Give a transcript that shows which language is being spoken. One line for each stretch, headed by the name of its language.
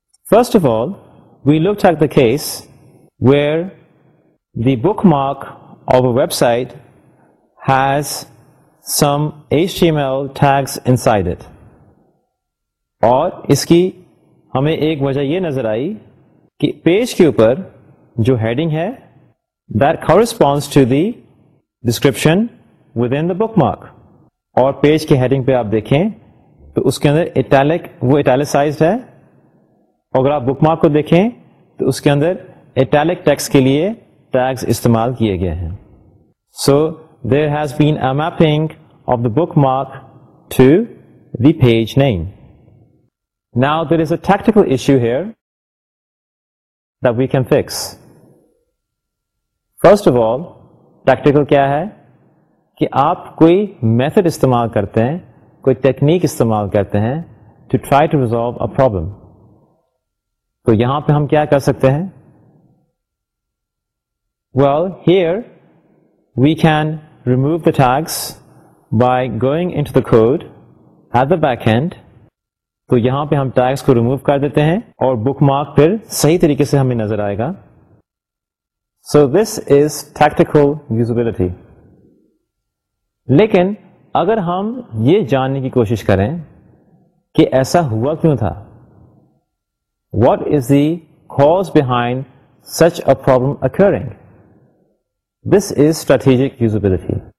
English: First of all we looked at the case where the bookmark of a website has some H T M L tags inside it.
Urdu: اور اس کی ہمیں ایک وجہ یہ نظر آئی کہ page کے اوپر جو ہیڈنگ ہے
English: that corresponds to the description within the bookmark.
Urdu: اور پیج کے ہیڈنگ پہ آپ دیکھیں تو اس کے اندر اٹیلک وہ اٹیلسائزڈ ہے. اگر آپ بک مارک کو دیکھیں تو اس کے اندر اٹیلک ٹیکسٹ کے لیے ٹیگز استعمال کیے گئے ہیں.
English: So there has been a mapping of the bookmark to the page name. Now there is a tactical issue here that we can fix.
Urdu: First of all tactical کیا ہے کہ آپ کوئی میتھڈ استعمال کرتے ہیں, کوئی ٹیکنیک استعمال کرتے ہیں
English: To try to resolve a problem.
Urdu: تو یہاں پہ ہم کیا کر سکتے ہیں؟
English: Well here we can remove the tags by going into the code at the back hand.
Urdu: تو یہاں پہ ہم ٹیگز کو ریموو کر دیتے ہیں اور بک مارک پھر صحیح طریقے سے ہمیں نظر آئے گا.
English: So this is tactical usability.
Urdu: لیکن اگر ہم یہ جاننے کی کوشش کریں کہ ایسا ہوا کیوں تھا,
English: What is the cause behind such a problem occurring, this is strategic usability.